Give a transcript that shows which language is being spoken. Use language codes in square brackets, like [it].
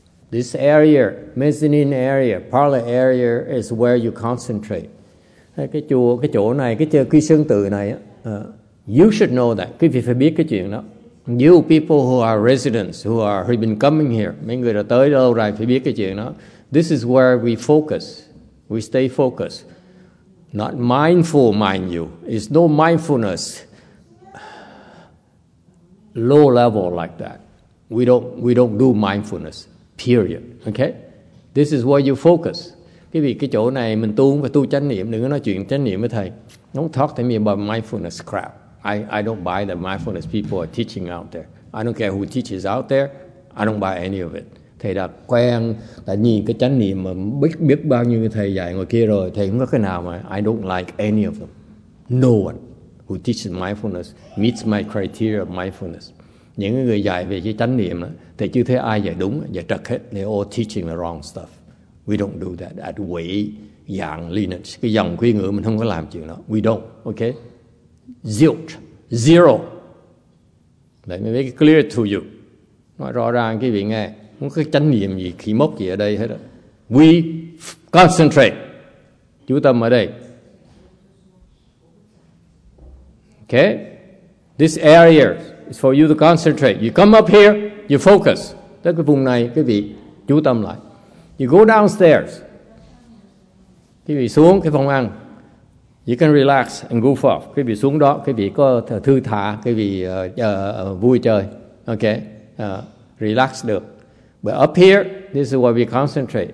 [en] This area, mezzanine area, parlor area is where you concentrate. [vi] Cái chùa, cái chỗ này, cái chơi quy sơn tự này, [en] you should know that. [vi] Quý vị phải biết cái chuyện đó. [en] You people who are residents, who have been coming here, [vi] mấy người đã tới lâu rồi phải biết cái chuyện đó. [en] This is where we focus. We stay focused. Not mindful, mind you. It's no mindfulness. Low level like that. We don't do mindfulness, period. Okay? This is where you focus. [vi] Quý vị, cái chỗ này mình tu không phải tu chánh niệm, đừng có nói chuyện chánh niệm với thầy. [en] Don't talk to me about mindfulness crap. I don't buy the mindfulness people are teaching out there. I don't care who teaches out there. I don't buy any of it. [vi] Thầy đã quen, đã nhìn cái chánh niệm mà biết bao nhiêu cái thầy dạy ngoài kia rồi. Thầy không có cái nào mà [en] I don't like any of them. No one who teaches mindfulness meets my criteria of mindfulness. [vi] Những người dạy về cái chánh niệm, thầy chưa thấy ai dạy đúng, dạy trật hết. [en] They all teaching the wrong stuff. We don't do that at way yang lineage. [vi] Cái dòng khuyên ngữ mình không có làm chuyện đó. [en] We don't, okay? Zilch, zero. Let me make it clear to you. [vi] Nói rõ ràng quý vị nghe, không có chánh niệm gì, khí mốc gì ở đây hết. [en] We concentrate. [vi] Chú tâm ở đây. [en] Okay? This area is for you to concentrate. You come up here, you focus. [vi] Tới cái vùng này, quý vị chú tâm lại. [en] You go downstairs. [vi] Quý vị xuống cái phòng ăn. [en] You can relax and goof off. [vi] Quý vị xuống đó, quý vị có thư thả, quý vị vui chơi. Okay? Relax được. [en] But up here, this is where we concentrate.